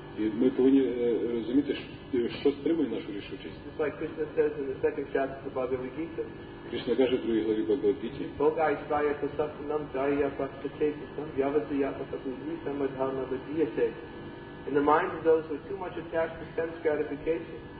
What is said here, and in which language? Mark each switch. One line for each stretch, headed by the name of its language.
Ukrainian: І ми повинні розуміти, що стримує нашу рішучість.
English: Just like Krishna says in the second chapter of the Bhagavad Gita.
Ukrainian: Krishna каже в другій главі Бхагавад-гіті.
English: In the mind of those who are too much attached to sense gratification.